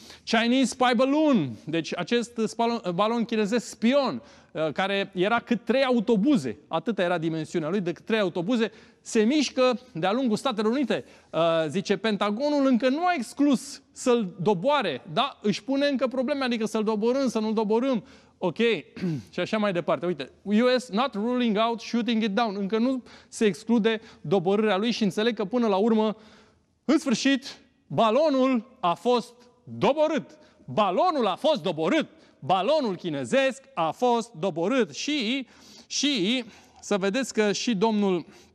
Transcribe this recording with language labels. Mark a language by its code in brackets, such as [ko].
[en] Chinese spy balloon. [ro] Deci acest balon chinezesc spion, care era cât 3 autobuze. Atâta era dimensiunea lui, decât 3 autobuze. Se mișcă de-a lungul Statelor Unite. Zice, Pentagonul încă nu a exclus să-l doboare, dar își pune încă probleme, adică să-l doborâm, să nu-l doborâm. Ok, și așa mai departe. Uite, [en] US not ruling out shooting it down. [ro] Încă nu se exclude doborârea lui și înțeleg că până la urmă, în sfârșit, balonul a fost doborât. Balonul a fost doborât. Balonul chinezesc a fost doborât. Și să vedeți că și domnul...